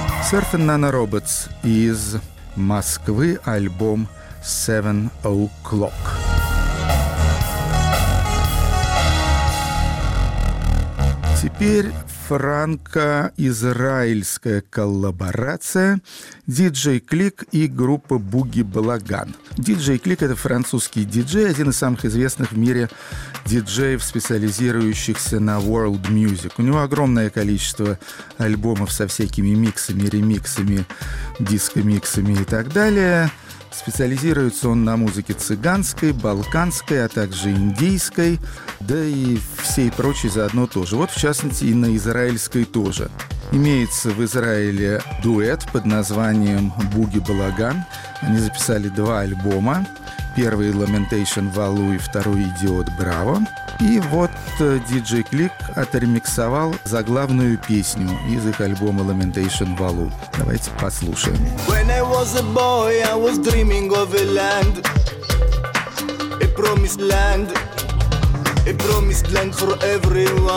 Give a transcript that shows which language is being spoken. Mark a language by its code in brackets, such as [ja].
[ru] Surfing Nana Roberts из Москвы, альбом Seven O'Clock. Теперь франко-израильская коллаборация «Диджей Клик» и группа «Буги Балаган». «Диджей Клик» — это французский диджей, один из самых известных в мире диджеев, специализирующихся на world music. У него огромное количество альбомов со всякими миксами, ремиксами, дискомиксами и так далее. Специализируется он на музыке цыганской, балканской, а также индийской, да и всей прочей заодно тоже. Вот, в частности, и на израильской тоже. Имеется в Израиле дуэт под названием «Буги Балаган». Они записали два альбома. Первый «Lamentation Валу» и второй «Идиот Браво». И вот диджей Клик отремиксовал заглавную песню из их альбома «Lamentation Валу». Давайте послушаем. [en] When I was a boy, I was dreaming of a land. A promised land. A promised land for everyone.